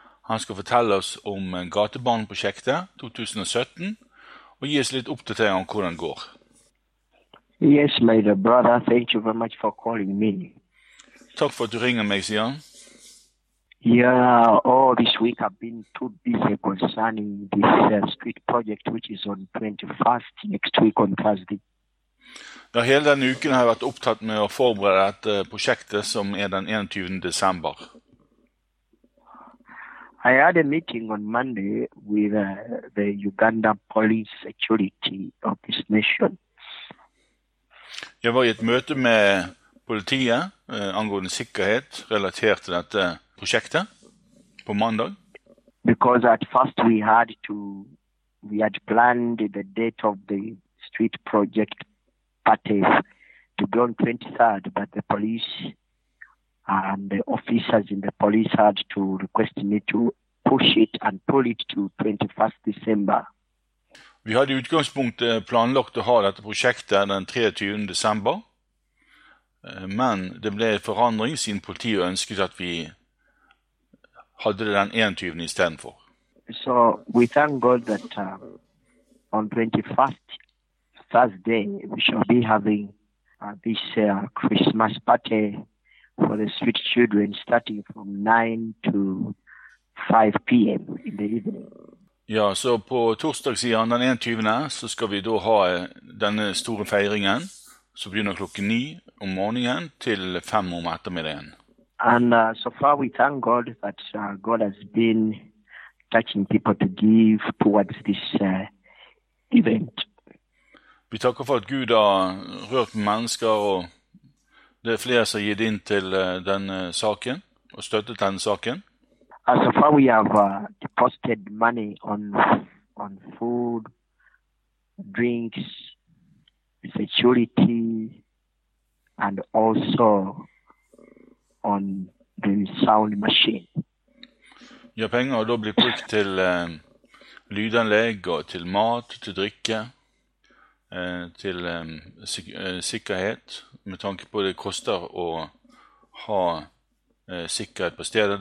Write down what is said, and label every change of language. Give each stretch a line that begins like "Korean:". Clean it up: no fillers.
Norwegian: Han skal fortelle oss om gatebarnprosjektet 2017 og gi oss litt oppdatering om hvordan det går.
English: Yes, my dear brother, thank you very much for calling me.
Norwegian: Takk for at du ringer meg, Sian.
English: Yeah, all this week I've been too busy concerning this street project, which is on 21st, next week on Thursday.
Norwegian: Ja, hele denne uken har jeg vært opptatt med å forberede et prosjekt som den 21. desember.
English: I had a meeting on Monday with the Uganda Police Security of this nation.
Norwegian: Jeg var I et møte med politiet angående sikkerhet relatert til dette prosjektet på mandag.
English: Because at first we had planned the date of the street project parties to be on 23rd, but the police and the officers in the police had to request me to push it and pull it to 21st December.
Norwegian: Vi hadde I utgangspunkt planlagt å ha dette prosjektet den 23. desember, men det ble en forandring siden politiet ønsket at vi hadde det den 21. I stedet for.
English: So we thank God that on 21st Thursday we shall be having this Christmas party for the street children starting from 9 to 5 p.m. in the evening.
Norwegian: Ja, så på torsdagssiden den 21. så skal vi da ha denne store feiringen, som begynner klokken 9 om morgenen til 5 om ettermiddagen.
English: And so far we thank God that God has been touching people to give towards this event.
Norwegian: Vi takker for at Gud har rørt med mennesker, og det flere som har gitt inn til denne saken, og støttet denne saken.
English: So far we have deposited money on food, drinks, security, and also on the sound machine.
Norwegian: Ja, penger har da blitt brukt til lydanlegg og til mat, til drikke, til sikkerhet, med tanke på det koster å ha sikkert på stedet.